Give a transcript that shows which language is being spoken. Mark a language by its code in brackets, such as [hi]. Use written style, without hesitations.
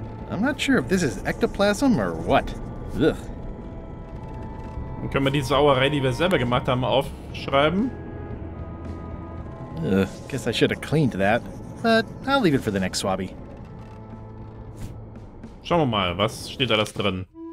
[en] I'm not sure if this is ectoplasm or what. Ugh. [de] Dann können wir die Sauerei, die wir selber gemacht haben, aufschreiben. [en] Ugh, guess I should have cleaned that. But I'll leave it for the next swabby. [de] Schauen wir mal, was steht da das drin?